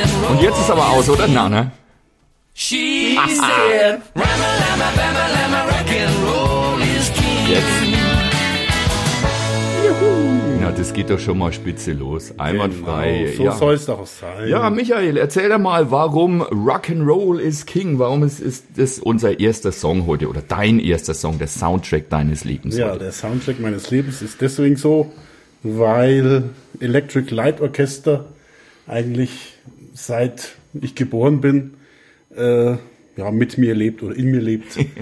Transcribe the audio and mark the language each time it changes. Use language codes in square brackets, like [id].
[de] Und jetzt ist aber aus, oder? Na, ne? [en] She's there. Rama-lama-bama-lama, rock and roll is king. [de] Jetzt. Juhu. Na, das geht doch schon mal spitze los. Einwandfrei. Genau, so ja. Soll es doch sein. Ja, Michael, erzähl doch mal, warum Rock'n'Roll is King? Warum ist das unser erster Song heute oder dein erster Song, der Soundtrack deines Lebens? Ja, heute? Der Soundtrack meines Lebens ist deswegen so, weil Electric Light Orchestra eigentlich seit ich geboren bin, mit mir lebt oder in mir lebt.